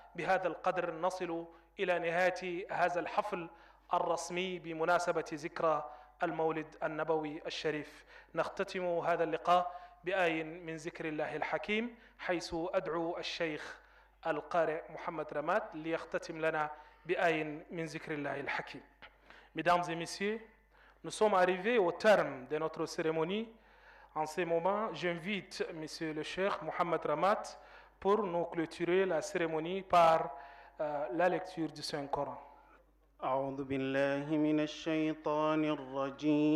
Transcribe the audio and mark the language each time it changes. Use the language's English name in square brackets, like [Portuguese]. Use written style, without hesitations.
[Arabic] بهذا القدر نصل إلى نهاية هذا الحفل الرسمي بمناسبة ذكرى المولد النبوي الشريف. نختتم هذا اللقاء بآي من ذكر الله الحكيم، حيث أدعو الشيخ القارئ محمد رمات ليختتم لنا بآي من ذكر الله الحكيم. [French] Mesdames et messieurs, nous sommes arrivés au terme de notre cérémonie. En ce moment, j'invite monsieur le cheikh Mohamed Ramat pour nous clôturer la cérémonie par la lecture du Saint-Coran. [Arabic] أعوذ بالله من الشيطان الرجيم.